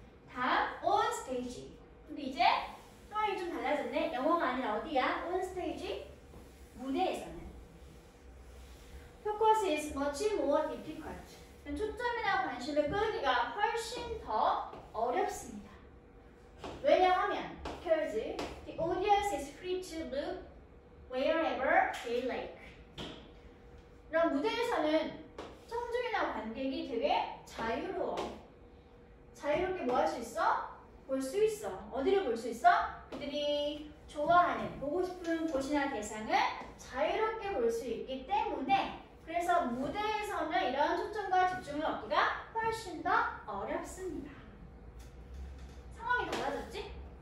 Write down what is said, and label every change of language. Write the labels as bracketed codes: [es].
[ko] 다음 [en] on stage. [ko] 근데 이제 상황이 좀 달라졌네. 영어가 아니라 어디야? [en] On stage? [ko] 무대에서는. [en] Focus is much more difficult. [ko] 초점이나 관심을 끌기가 훨씬 더 어렵습니다. 왜냐하면 [en] because the audience is free to look wherever they like. [ko] 그럼 무대에서는 청중이나 관객이 되게 자유로워. 자유롭게 뭐 할 수 있어? 볼 수 있어. 어디를 볼 수 있어? 그들이 좋아하는, 보고 싶은 곳이나 대상을 자유롭게 볼 수 있기 때문에 그래서 무대에서는 이런 초점과 집중을 얻기가 훨씬 더 어렵습니다. 상황이 달라졌지?